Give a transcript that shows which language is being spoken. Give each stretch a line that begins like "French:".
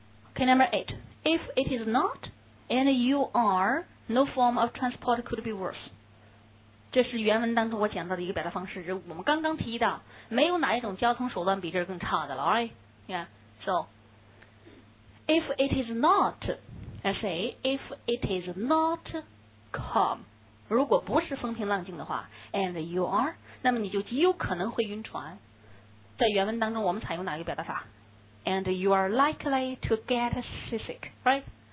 English: OK， number 8， if it is not and you are， no form of transport could be worse。
Chinese: 这是原文当中我讲到的一个表达方式，我们刚刚提到没有哪一种交通手段比这更差的了， right？
English: Yeah， soIf it is not, I say, if it is not calm,
Chinese: 如果不是风平浪静的话
English: and you are,
Chinese: 那么你就极有可能会晕船。在原文当中我们采用哪一个表达法？
English: And you are likely to get seasick, right?